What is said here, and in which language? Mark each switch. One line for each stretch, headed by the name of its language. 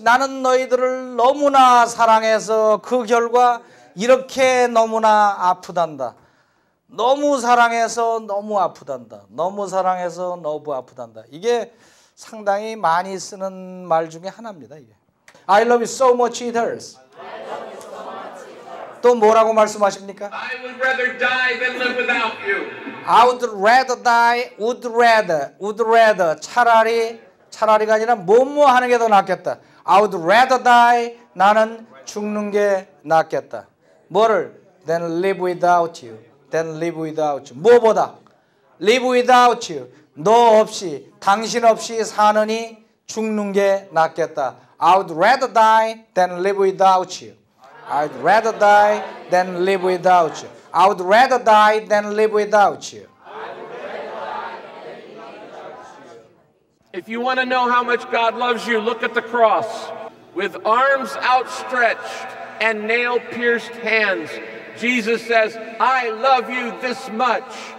Korean: 나는 너희들을 너무나 사랑해서 그 결과 이렇게 너무나 아프단다. 너무 사랑해서 너무 아프단다. 너무 사랑해서 너무 아프단다. 이게 상당히 많이 쓰는 말 중에 하나입니다. 이게.
English: I love you so much it hurts. I love you so much it hurts.
Korean: 또 뭐라고 말씀하십니까?
English: I would rather die than live without you. I would rather die, would rather.
Korean: 차라리가 아니라 뭐뭐 하는 게 더 낫겠다.
English: I would rather die.
Korean: 나는 죽는 게 낫겠다. 뭐를?
English: Than live without you. Then live without you.
Korean: 무엇보다?
English: Live without you.
Korean: 너 없이, 당신 없이 사느니 죽는 게 낫겠다.
English: I would rather die than live without you. I would rather die than live without you. I would rather die than live without you. If you want to know how much God loves you, look at the cross. With arms outstretched and nail-pierced hands, Jesus says, I love you this much.